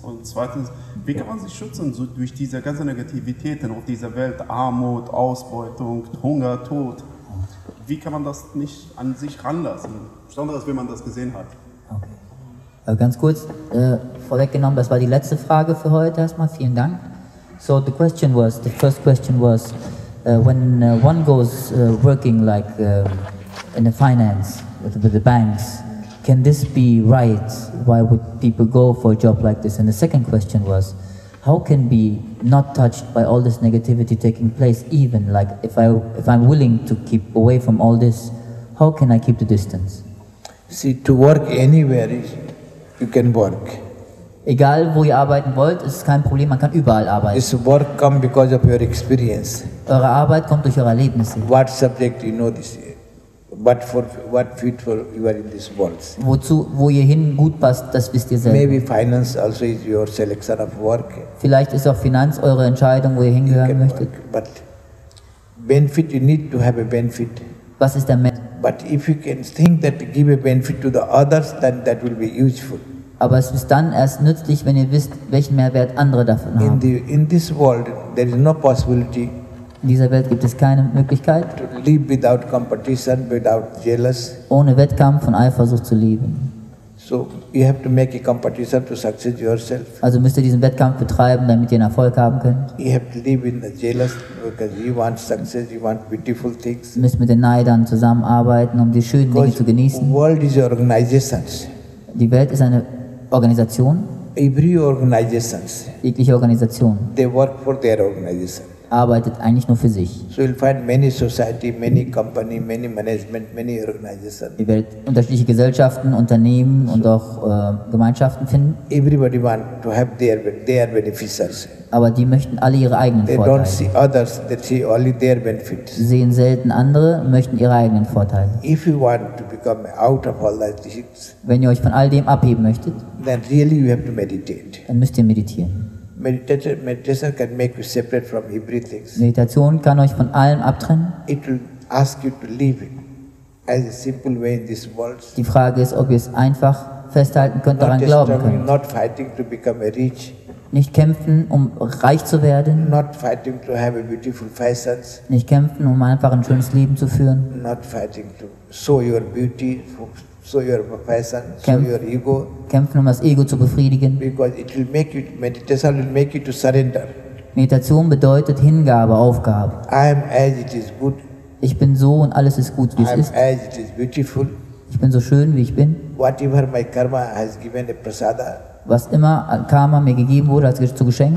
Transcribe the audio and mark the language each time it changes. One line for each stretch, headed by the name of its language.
German: Und zweitens, wie kann man sich schützen so durch diese ganze Negativität auf dieser Welt? Armut, Ausbeutung, Hunger, Tod. Wie kann man das nicht an sich ranlassen? Besonders, wenn man das gesehen hat. Okay. Ganz kurz vorweggenommen, das war die letzte Frage für heute erstmal. Vielen Dank.
English: So the question was, the first question was, when one goes working like in the finance with the banks, can this be right? Why would people go for a job like this? And the second question was, how can be not touched by all this negativity taking place, even like if I'm willing to keep away from all this, how can I keep the distance? See, to work anywhere is, you can work.
German: Egal wo ihr arbeiten wollt, ist kein Problem, man kann überall arbeiten.
English: This work come because of your experience.
German: Eure Arbeit kommt durch eure Erlebnisse.
English: What subject you know this year? But for what fit for you are in this world.
German: Wozu, wo ihr hin gut passt, das wisst ihr selbst.
English: Maybe finance also is your selection of work.
German: Vielleicht ist auch Finanz eure Entscheidung, wo ihr hingehören möchtet.
English: But benefit, you need to have a benefit.
German: Was ist der Mehrwert?
English: But if you can think that give a benefit to the others, then that will be useful.
German: Aber es ist dann erst nützlich, wenn ihr wisst, welchen Mehrwert andere davon haben.
English: In this world, there is no possibility.
German: In dieser Welt gibt es keine Möglichkeit,
English: to live without competition, without jealous.
German: Ohne Wettkampf und Eifersucht zu leben.
English: So you have to make a competition to succeed yourself.
German: Also müsst ihr diesen Wettkampf betreiben, damit ihr einen Erfolg haben könnt.
English: You have to live in the jealous because you want success, you want beautiful things.
German: Müsst mit den Neidern zusammenarbeiten, um die schönen
English: because
German: Dinge zu genießen.
English: World is organizations.
German: Die Welt ist eine Organisation.
English: Every organization.
German: Jegliche Organisation.
English: They work for their organization.
German: Arbeitet eigentlich nur für sich.
English: So you'll find many society, many company, many management, many organizations.
German: Ihr werdet unterschiedliche Gesellschaften, Unternehmen und so, auch Gemeinschaften finden.
English: Everybody want to have their beneficiaries.
German: Aber die möchten alle ihre eigenen
English: they
German: Vorteile.
English: They don't see others, they see only their benefits.
German: Sie sehen selten andere, möchten ihre eigenen Vorteile.
English: If you want to become out of all that things,
German: wenn ihr euch von all dem abheben möchtet,
English: then really you have to meditate.
German: Dann müsst ihr meditieren.
English: Meditation can make you separate from everything.
German: Meditation kann euch von allem abtrennen.
English: It will ask you to live it as a simple way in this world.
German: Die Frage ist, ob ihr es einfach festhalten könnt, daran glauben könnt.
English: Not fighting to become rich.
German: Nicht kämpfen, um reich zu werden.
English: Not fighting to have a beautiful fashion.
German: Nicht kämpfen, um einfach ein schönes Leben zu führen.
English: Not fighting to show your beauty. So your profession, so your ego.
German: Kämpfen, um das Ego zu befriedigen.
English: Because it will make you, meditation will make you to surrender.
German: Meditation bedeutet Hingabe, Aufgabe.
English: I am as it is good.
German: Ich bin so und alles ist gut, wie es ist.
English: I am as it is beautiful.
German: Ich bin so schön, wie ich bin.
English: Whatever my karma has given a prasada.
German: Was immer Karma mir gegeben wurde, als zu Geschenk.